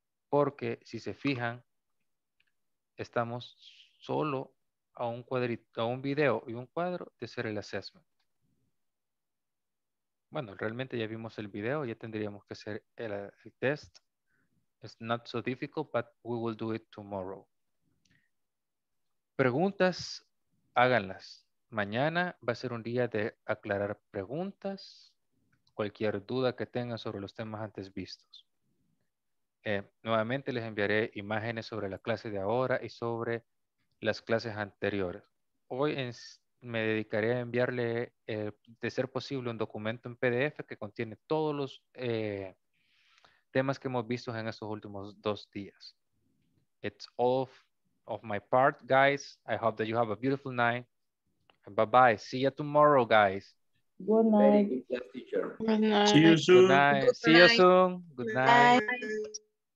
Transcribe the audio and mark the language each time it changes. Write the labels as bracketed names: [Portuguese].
[Spanish] Porque, si se fijan, estamos solo a un cuadrito, a un video y un cuadro de hacer el assessment. Bueno, realmente ya vimos el video, ya tendríamos que hacer el test. [English] It's not so difficult, but we will do it tomorrow. [Spanish] Preguntas. Háganlas. Mañana va a ser un día de aclarar preguntas, cualquier duda que tengan sobre los temas antes vistos. Nuevamente les enviaré imágenes sobre la clase de ahora y sobre las clases anteriores. Hoy me dedicaré a enviarle, de ser posible, un documento en PDF que contiene todos los temas que hemos visto en estos últimos 2 días. [English] It's all of my part, guys. I hope that you have a beautiful night. Bye-bye. See you tomorrow, guys. Good night. Very good, teacher. Good night. See you soon. Good night. See you soon. Good night. Good night.